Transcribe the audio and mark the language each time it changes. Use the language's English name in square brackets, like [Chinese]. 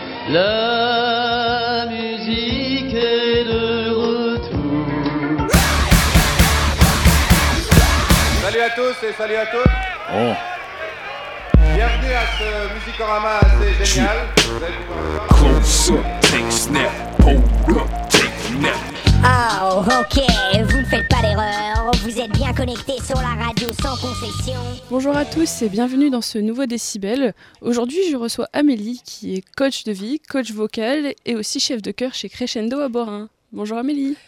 [French] La musique est de retour. Salut à tous et salut à toutes. Bon. Bienvenue à ce Musicorama assez génial. [English] Close up, take snap, hold up, take snap. [French] Oh, ok, vous ne faites pas d'erreur, vous êtes bien connectés sur la radio sans concession. Bonjour à tous et bienvenue dans ce nouveau Décibel. Aujourd'hui, je reçois Amélie, qui est coach de vie, coach vocal et aussi chef de chœur chez Crescendo à Borin. Bonjour Amélie.